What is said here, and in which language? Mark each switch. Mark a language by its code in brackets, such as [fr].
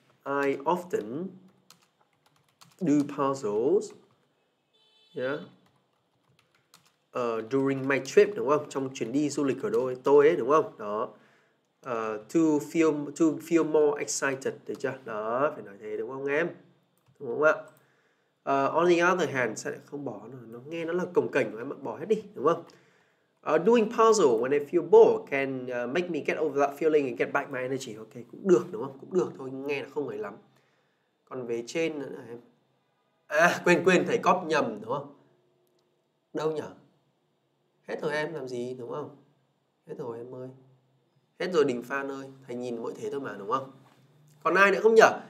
[en] I often do puzzles, yeah, during my trip [vi] đúng không? Trong chuyến đi du lịch của tôi ấy đúng không? Đó, [en] to feel more excited, [vi] được chưa? Đó, phải nói thế đúng không em? Đúng không ạ? [en] On the other hand, [vi] sẽ không bỏ nó, nghe nó là cồng kềnh, em bỏ hết đi đúng không? [en] Doing puzzle when I feel bored can make me get over that feeling and get back my energy. [vi] Ok, cũng được đúng không? Cũng được thôi, nghe là không ấy lắm. Còn về trên nữa là em. À, quên, thầy cóp nhầm đúng không? Đâu nhở? Hết rồi em, làm gì đúng không? Hết rồi em ơi. Hết rồi Đình Phan ơi, thầy nhìn mọi thế thôi mà đúng không? Còn ai nữa không nhở?